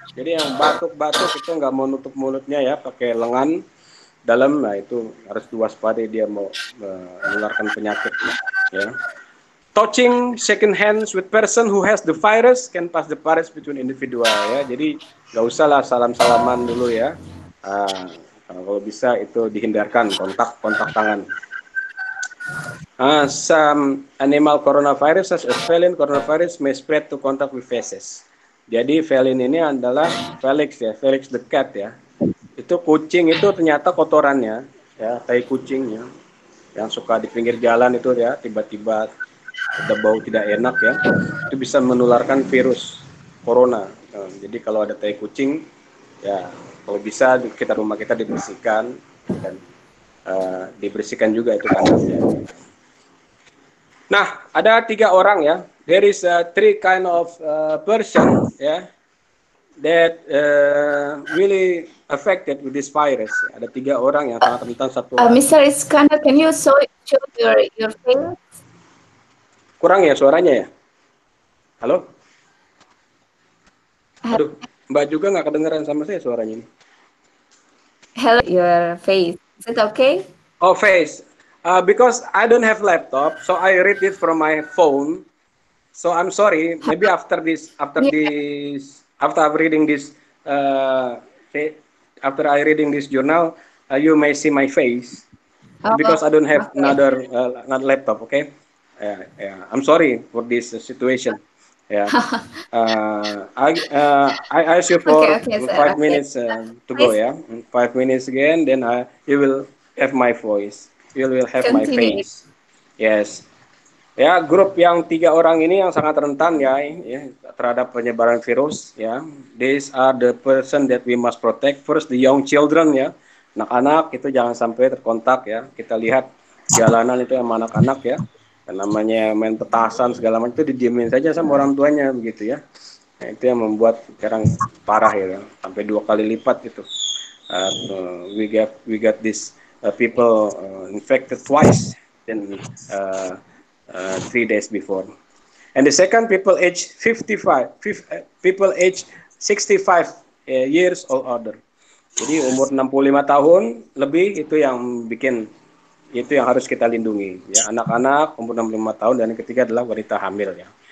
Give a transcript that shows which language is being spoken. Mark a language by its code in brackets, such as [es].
[id] Jadi yang batuk-batuk itu nggak mau nutup mulutnya ya, pakai lengan dalam, nah itu harus diwaspadai dia mau menularkan penyakit. Ya. [en] Touching, shaking hands with person who has the virus can pass the virus between individual ya. [id] Jadi nggak usah lah salam-salaman dulu ya. Kalau bisa itu dihindarkan kontak tangan. [en] Some animal coronavirus, such as felin coronavirus, may spread to contact with feces. [id] Jadi felin ini adalah Felix ya, Felix the cat ya. Itu kucing itu ternyata kotorannya ya, tai kucingnya yang suka di pinggir jalan itu ya, tiba-tiba ada bau tidak enak ya, itu bisa menularkan virus corona. Jadi kalau ada tai kucing ya, kalau bisa kita rumah kita dibersihkan dan dibersihkan juga itu kandangnya. Nah, ada tiga orang ya. [en] There is three kind of person ya yeah, that really affected with this virus. [id] Ada tiga orang yang sangat rentan satu. [en] Mr. Iskandar, can you show your face? [id] Kurang ya suaranya ya. Halo. Aduh, Mbak juga nggak kedengeran sama saya suaranya ini. [en] Hello, your face. Is it okay? Oh, face. Because I don't have laptop, so I read it from my phone. So I'm sorry. Maybe after reading this journal, you may see my face. Because I don't have another laptop. Okay. Yeah. I'm sorry for this situation. Yeah. I ask you for five minutes again. Then you will have my voice. You will have my face. Yes. [id] Ya, grup yang tiga orang ini yang sangat rentan ya, ya terhadap penyebaran virus ya. [en] These are the person that we must protect. First, the young children ya. [id] Anak-anak itu jangan sampai terkontak ya. Kita lihat jalanan itu sama anak-anak ya. Dan namanya main petasan segala macam itu didiemin saja sama orang tuanya begitu ya. Nah, itu yang membuat sekarang parah ya. Sampai dua kali lipat itu. [en] We got this people infected twice in 3 days before. And the second people age 65 years or older. [id] Jadi umur 65 tahun lebih itu yang bikin, itu yang harus kita lindungi. Ya, anak-anak umur 65 tahun dan yang ketiga adalah wanita hamil ya.